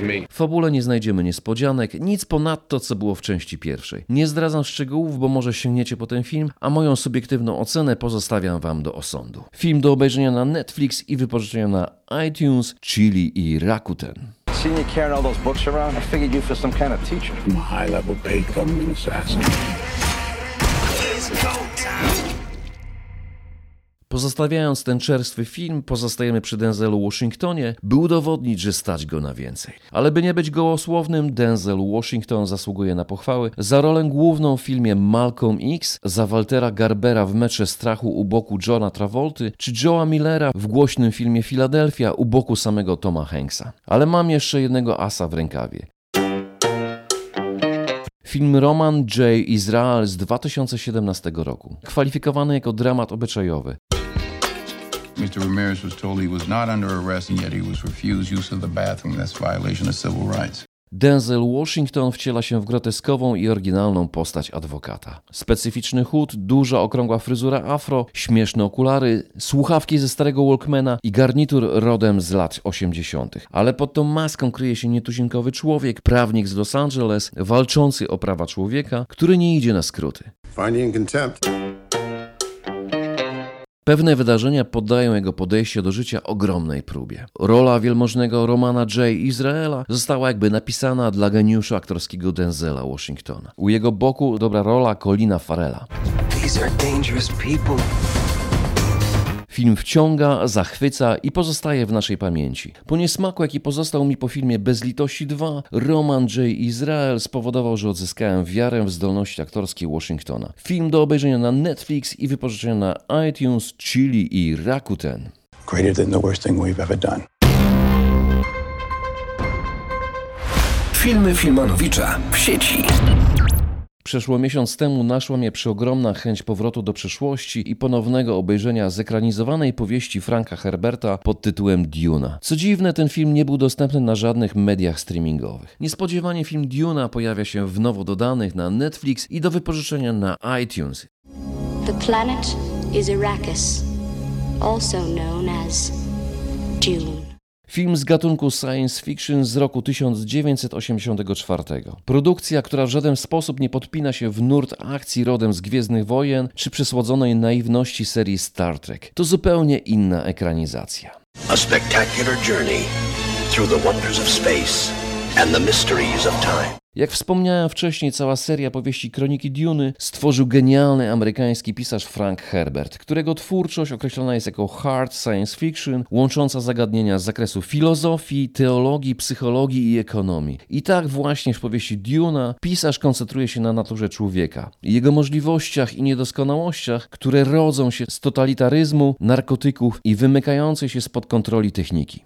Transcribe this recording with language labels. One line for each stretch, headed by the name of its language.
Polish: W fabule nie znajdziemy niespodzianek, nic ponadto, co było w części pierwszej. Nie zdradzam szczegółów, bo może sięgniecie po ten film, a moją subiektywną ocenę pozostawiam wam do osądu. Film do obejrzenia na Netflix i wypożyczenia na iTunes, Chili i Rakuten.
English: Seeing you carrying all those books around, I figured you for some kind of teacher. I'm a high-level paid government assassin.
Polish: Pozostawiając ten czerstwy film, pozostajemy przy Denzelu Washingtonie, by udowodnić, że stać go na więcej. Ale by nie być gołosłownym, Denzel Washington zasługuje na pochwały za rolę główną w filmie Malcolm X, za Waltera Garbera w Mecze Strachu u boku Johna Travolty, czy Joea Millera w głośnym filmie Filadelfia u boku samego Toma Hanksa. Ale mam jeszcze jednego asa w rękawie. Film Roman J. Israel z 2017 roku, kwalifikowany jako dramat obyczajowy.
English: Mr. Ramirez was told he was not under arrest and yet he was refused use of the bathroom. That's a violation of civil rights.
Polish: Denzel Washington wciela się w groteskową i oryginalną postać adwokata. Specyficzny chód, duża okrągła fryzura afro, śmieszne okulary, słuchawki ze starego Walkmana i garnitur rodem z lat 80. Ale pod tą maską kryje się nietuzinkowy człowiek, prawnik z Los Angeles, walczący o prawa człowieka, który nie idzie na skróty.
English: Finding contempt.
Polish: Pewne wydarzenia poddają jego podejście do życia ogromnej próbie. Rola wielmożnego Romana J. Israela została jakby napisana dla geniuszu aktorskiego Denzela Washingtona. U jego boku dobra rola Colina Farrella.
English: These are dangerous people.
Polish: Film wciąga, zachwyca i pozostaje w naszej pamięci. Po niesmaku, jaki pozostał mi po filmie Bez litości 2, Roman J. Israel spowodował, że odzyskałem wiarę w zdolności aktorskie Washingtona. Film do obejrzenia na Netflix i wypożyczenia na iTunes, Chili i Rakuten.
English: Greater than the worst thing we've ever done.
Polish: Filmy Filmanowicza w sieci. Przeszło miesiąc temu naszła mnie przeogromna chęć powrotu do przeszłości i ponownego obejrzenia zekranizowanej powieści Franka Herberta pod tytułem Duna. Co dziwne, ten film nie był dostępny na żadnych mediach streamingowych. Niespodziewanie film Duna pojawia się w nowo dodanych na Netflix i do wypożyczenia na iTunes.
English: The planet is Arrakis, also known as Dune.
Polish: Film z gatunku science fiction z roku 1984. Produkcja, która w żaden sposób nie podpina się w nurt akcji rodem z Gwiezdnych Wojen czy przesłodzonej naiwności serii Star Trek. To zupełnie inna ekranizacja.
English: A spectacular journey through the wonders of space and the mysteries of time.
Polish: Jak wspomniałem wcześniej, cała seria powieści Kroniki Duny stworzył genialny amerykański pisarz Frank Herbert, którego twórczość określona jest jako hard science fiction, łącząca zagadnienia z zakresu filozofii, teologii, psychologii i ekonomii. I tak właśnie w powieści Duna pisarz koncentruje się na naturze człowieka, jego możliwościach i niedoskonałościach, które rodzą się z totalitaryzmu, narkotyków i wymykającej się spod kontroli techniki.